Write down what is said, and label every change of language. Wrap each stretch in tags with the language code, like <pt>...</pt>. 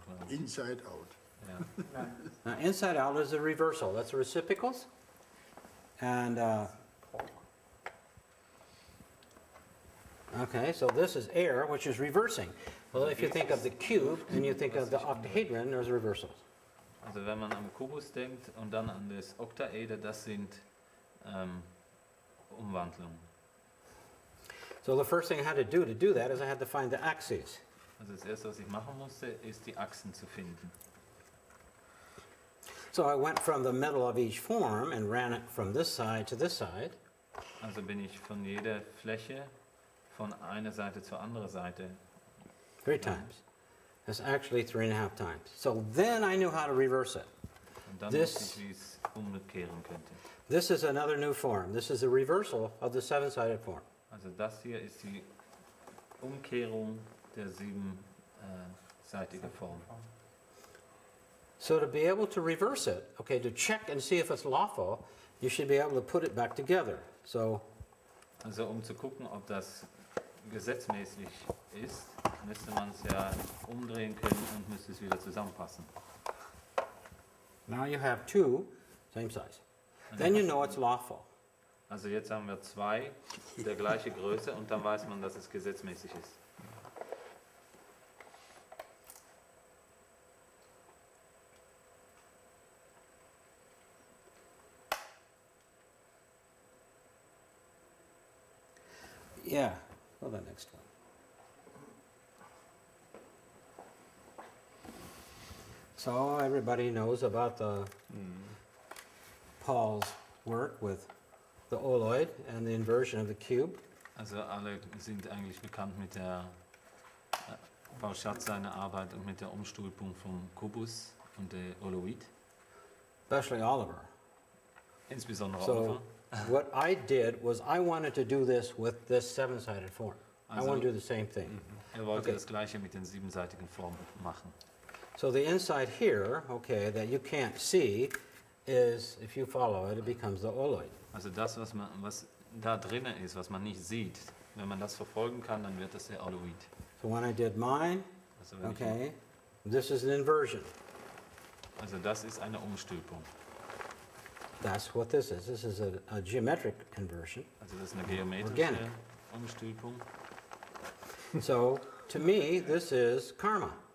<en>Inside out. Now, inside out is a reversal. That's a reciprocals. And, okay, so this is air, which is reversing. Well, if you think of the cube and you think of the octahedron, there's reversals.</en> <de>Also, wenn man am Kubus denkt und dann an das Oktaeder, das sind Umwandlungen.</de> <en>So the first thing I had to do that is I had to find the axes.</en> <de>Also das erste, was ich machen musste, ist die Achsen zu finden.</de> <en>So I went from the middle of each form and ran it from this side to this side.</en> <de>Also bin ich von jeder Fläche von einer Seite zur anderen Seite.</de> <en>Three times. That's actually 3.5 times. So then I knew how to reverse it.</en> <de>Und dann wusste ich, wie es umkehren könnte.</de> <en>This is another new form. This is a reversal of the seven-sided form.</en> <de>Also das hier ist die Umkehrung der siebenseitigen Form.</de> <en>So to be able to reverse it, okay, to check and see if it's lawful, you should be able to put it back together. So.</en> <de>Also um zu gucken, ob das gesetzmäßig ist, müsste man es ja umdrehen können und müsste es wieder zusammenpassen.</de> <en>Now you have two, same size. Then you know it's lawful.</en> <de>Also jetzt haben wir zwei der gleiche Größe und dann weiß man, dass es gesetzmäßig ist.</de> <en>Yeah, well the next one. So everybody knows about the Paul's work with the oloid and the inversion of the cube.</en> <de>Also alle sind eigentlich bekannt mit der Paul Schatz seine Arbeit und mit der Umstülpung vom Kubus und der Oloid.</de> <en>Especially Oliver.</en> <de>Insbesondere so Oliver.</de> <en>What I did was I wanted to do this with this seven-sided form. Also I want to do the same thing.</en> <de>Er wollte okay. Das gleiche mit den siebenseitigen Formen machen.</de> <en>So the inside here, okay, that you can't see is, if you follow it, it becomes the oloid.</en> <de>Also das, was man, was da drinnen ist, was man nicht sieht, wenn man das verfolgen kann, dann wird das der oloid.</de> <en>So when I did mine, also okay, this is an inversion.</en> <de>Also das ist eine Umstülpung.</de> <en>That's what this is. This is a geometric inversion.</en> <de>Also das ist eine geometrische Umstülpung.</de> <en>So to me, this is karma.</en>